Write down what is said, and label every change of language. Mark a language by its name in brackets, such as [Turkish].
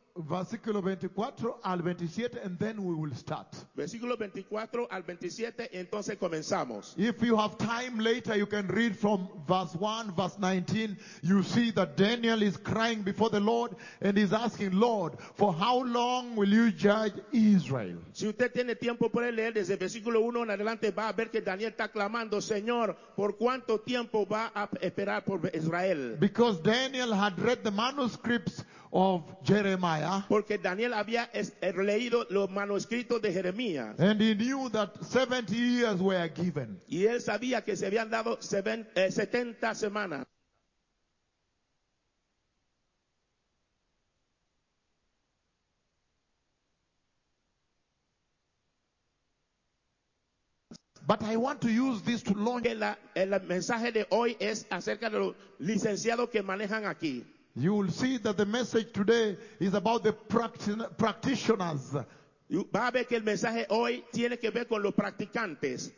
[Spanish] Versículo 24 al 27, [English] and then we will start. [Spanish] Versículo 24 al 27, entonces comenzamos. [English] If you have time later, you can read from verse 1, verse 19. You see that Daniel is crying before the Lord and is asking, Lord, for how long will you judge Israel? [Spanish] Si usted tiene tiempo, puede leer desde versículo 1 en adelante, va a ver que Daniel está clamando, Señor, ¿por cuánto tiempo va a esperar por Israel? [English] Because Daniel had read the manuscripts of Jeremiah. [Spanish] Porque Daniel había leído los manuscritos de Jeremías. [English] And he knew that 70 years were given. [Spanish] Y él sabía que se habían dado 70 semanas. [English] But I want to use this to launch. [Spanish] El mensaje de hoy es acerca de los licenciados que manejan aquí. [English] You will see that the message today is about the practitioners. [Spanish] Va a ver que el mensaje hoy tiene que ver con los practicantes.